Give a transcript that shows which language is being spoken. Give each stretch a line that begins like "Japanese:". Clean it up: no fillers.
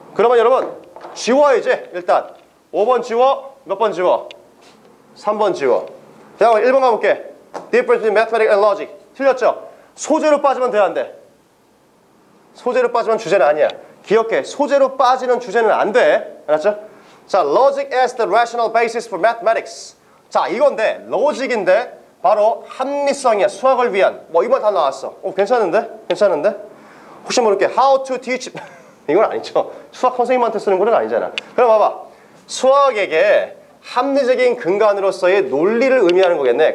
Korean: 그러면 여러분 지워야지. 일단 5번 지워. 몇 번 지워? 3번 지워. 그다음에 1번 가볼게.
English: Difference between mathematics and logic.
Korean: 틀렸죠? 소재로 빠지면 돼야 안 돼? 소재로 빠지면 주제는 아니야. 기억해. 소재로 빠지는 주제는 안 돼. 알았죠?
English: 자, logic as the rational basis for mathematics.
Korean: 자, 이건데, logic인데 바로 합리성이야. 수학을 위한. 뭐 이번 다 나왔어. 오, 괜찮은데? 괜찮은데? 혹시 모르게
English: how to teach
Korean: 이건 아니죠. 수학 선생님한테 쓰는 거는 아니잖아. 그럼 봐봐. 수학에게 합리적인 근간으로서의 논리를 의미하는 거겠네.